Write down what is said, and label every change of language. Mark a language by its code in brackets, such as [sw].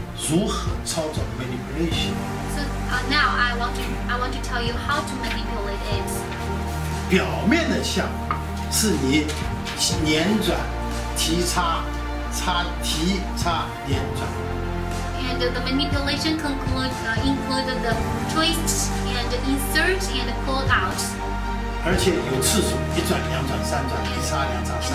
[zh] 如何操作 manipulation? [en] So now I want to tell you how to manipulate it. [zh] 表面的像是你捻转、提擦、擦、提擦、捻转。 [en] And the manipulation include the twist and insert and pull out. [zh] 而且有次数，一转、两转、三转、提擦、两转、三转。